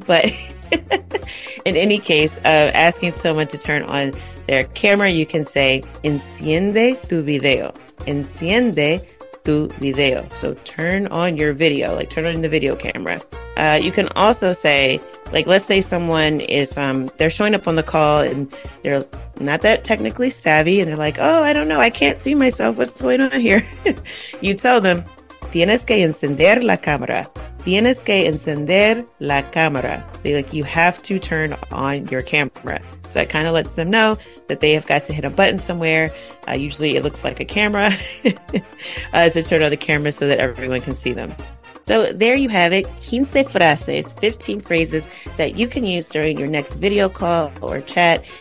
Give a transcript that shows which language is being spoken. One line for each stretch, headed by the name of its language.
English: But in any case, asking someone to turn on their camera, you can say,
Spanish: enciende tu video, enciende tu video.
English: So turn on your video, like turn on the video camera. You can also say, like, let's say someone is, they're showing up on the call and they're not that technically savvy and they're like, oh, I don't know, I can't see myself, what's going on here? You tell them,
Spanish: tienes que encender la cámara. Tienes que encender la cámara.
English: So like, you have to turn on your camera. So that kind of lets them know that they have got to hit a button somewhere. Usually it looks like a camera to turn on the camera so that everyone can see them. So there you have it, 15 frases, 15 phrases that you can use during your next video call or chat.